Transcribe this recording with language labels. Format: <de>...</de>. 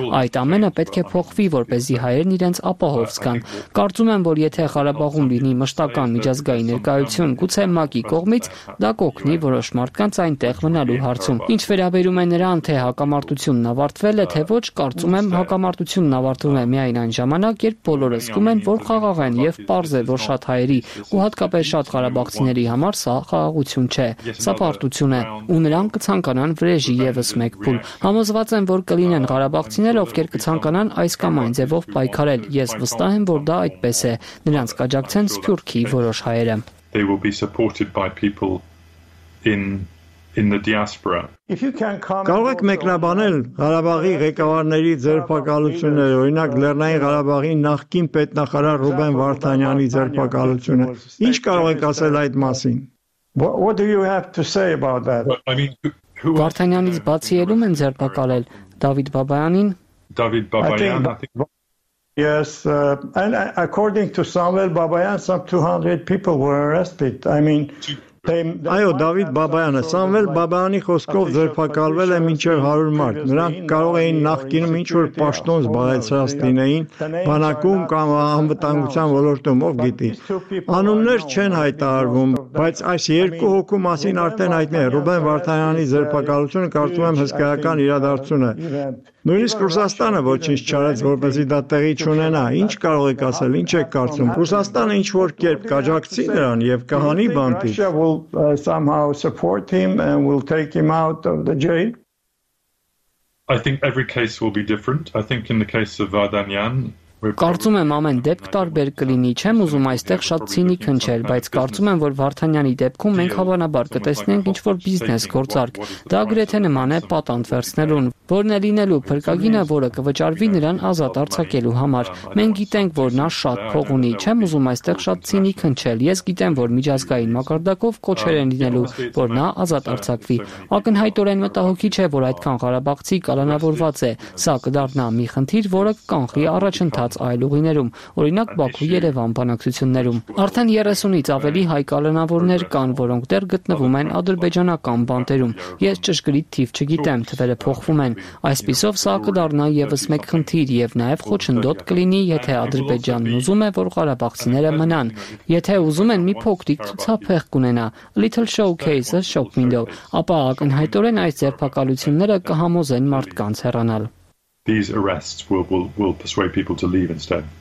<hy>Այդ ամենը պետք է փոխվի, որպեսզի հայերն իրենց ապահով զգան։ Կարծում եմ, որ եթե Ղարաբաղում լինի մշտական միջազգային ներկայություն, գուցե ՄԱԿ-ի կողմից, դա կօգնի որոշ մարդկանց այնտեղ մնալու հարցում։ Ինչ վերաբերում է նրան, թե հակամարտությունն ավարտվել է, թե ոչ, կարծում եմ, հակամարտությունն ավարտվում է միայն այն ժամանակ, երբ բոլորը զգում են, որ խաղաղ են, եւ պարզ է, որ շատ հայերի, ու հատկապես շատ ղարաբաղցիների համար սա խաղաղություն չէ, սա պարտություն է, ու նրանք կցանկանան վրեժի եւս մեկ փուլ։ Համոզված եմ, որ կլինեն ղարաբաղցիները, ովքեր կցանկանան այս կամ այն ձևով պայքարել։ Ես վստահ եմ, որ դա այդպես է, նրանց կաջակցեն Սփյուռքի որոշ հայերը։</hy> <en>They will be supported by people in the diaspora. If you can come</en> <hy>Կարող եք մեկնաբանել Ղարաբաղի ղեկավարների ձերբակալությունները, օրինակ Լեռնային Ղարաբաղի նախկին պետնախարար Ռուբեն Վարդանյանի ձերբակալությունը։ Ինչ կարող եք ասել այդ մասին։</hy> <en>What do you have to say about that? I mean, who</en> <hy>Վարդանյանից բացի ելում են ձերբակալել Դավիթ Բաբայանին? Դավիթ Բաբայան,</hy> <en>Yes, and according to Samuel Babayan, some 200 people were arrested. I mean,</en> <hy>Այո, Դավիթ Բաբայանը, Սամվել Բաբայանի խոսքով ձերբակալվել է մինչև 100 մարդ։ Նրանք կարող էին նախկինում ինչ-որ պաշտոն զբաղեցրած լինեին բանակում կամ անվտանգության ոլորտում, ով գիտի։ Անուններ չեն հայտարարվում, բայց այս երկու հոգու մասին արդեն հայտնի է։ Ռուբեն Վարդանյանի ձերբակալությունը կարծում եմ հսկայական իրադարձություն է։ Նույնիսկ Ռուսաստանը ոչինչ չարեց, որպեսզի դա տեղի չունենա։ Ինչ կարող եք ասել, ինչ եք կարծում։ Ռուսաստանը ինչ-որ կերպ կաջակցի նրան և կհանի բանտի։</hy> <en>Will somehow support him and will take him out of the jail? I think every case will be different. I think in the case of Vardanyan,</en> <hy>Կարծում եմ ամեն դեպք տարբեր կլինի, չեմ ուզում այստեղ շատ ցինիկ հնչել, բայց կարծում եմ, որ Վարդանյանի դեպքում մենք հավանաբար կտեսնենք ինչ-որ բիզնես գործարք, դա գրեթե նման է պատանդ վերցնելուն, որն է լինելու փրկագինը, որը կվճարվի նրան ազատ արձակելու համար, մենք գիտենք, որ նա շատ փող ունի, չեմ ուզում այստեղ շատ ցինիկ հնչել, ես գիտեմ, որ միջազգային մակարդակով կոչեր են լինելու, որ նա ազատ արձակվի, ակնհայտորեն մտահոգիչ է, որ այդքան Ղարաբաղցի կալանավորված է, սա կդառնա մի խնդիր, որը կկանխի առաջընթաց այլ ուղիներում, օրինակ Բաքու Երևան բանակցություններում։ Արդեն 30-ից ավելի հայ կալանավորներ կան, որոնք դեռ գտնվում են ադրբեջանական բանտերում։ Ես ճշգրիտ թիվ չգիտեմ, թվերը փոխվում են։ Այսպիսով սա կդառնա եւս մեկ խնդիր եւ նաեւ խոչընդոտ կլինի, եթե Ադրբեջանն ուզում է, որ Ղարաբաղցիները մնան, եթե ուզում են մի փոքրիկ ցուցափեղ կունենա,</hy> <en>little showcase, shop window,</en> <hy>ապա ակնհայտորեն այս ձերբակալությունները կհամոզեն մարդկանց հեռանալ։</hy> <en>These arrests will persuade people to leave instead.</en>